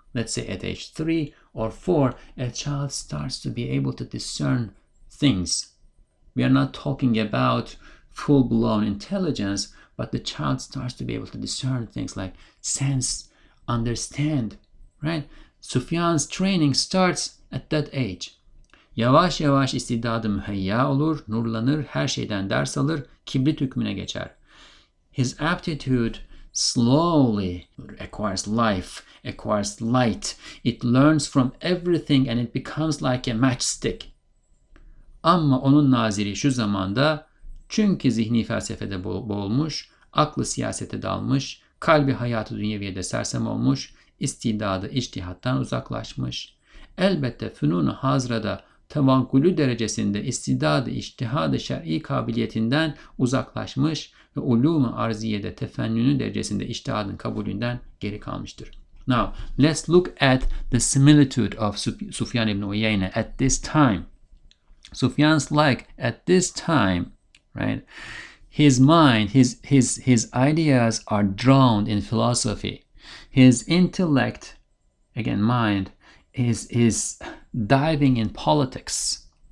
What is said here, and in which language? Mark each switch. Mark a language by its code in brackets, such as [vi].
[en] Let's say at age 3 or 4, a child starts to be able to discern things. We are not talking about full-blown intelligence, but the child starts to be able to discern things like sense, understand, right? Sufyan's training starts at that age. [tr] Yavaş yavaş istidadı müheyya olur, nurlanır, her şeyden ders alır, kibrit hükmüne geçer. [en] His aptitude slowly acquires life, acquires light. It learns from everything and it becomes like a matchstick. [tr] Ama onun naziri şu zamanda, çünkü zihni felsefede boğulmuş, aklı siyasete dalmış, kalbi hayatı dünyeviye de sersem olmuş, istidadı içtihattan uzaklaşmış. Elbette fünun-u hazrada tevankülü derecesinde istidadı içtihadı şer'i kabiliyetinden uzaklaşmış ve ulûm-u arziyede tefennünü derecesinde içtihadın kabulünden geri kalmıştır. [en] Now, let's look at the similitude of Sufyan ibn Uyayna at this time. Sufyan's like, at this time, right, his mind, his ideas are drowned in philosophy. His intellect, again, mind, is diving in politics.